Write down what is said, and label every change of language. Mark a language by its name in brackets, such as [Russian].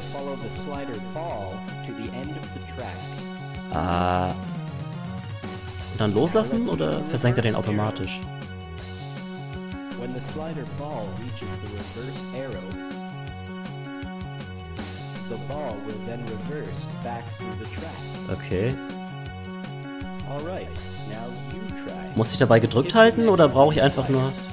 [English] Follow the slider ball to the end of the track. Ah. [German] Und dann loslassen oder versenkt er den automatisch? [English] When the slider ball reaches the reverse arrow, the ball will then reverse back through the track. Okay. Alright, now you try. [German] Muss ich dabei gedrückt halten oder brauche ich einfach nur...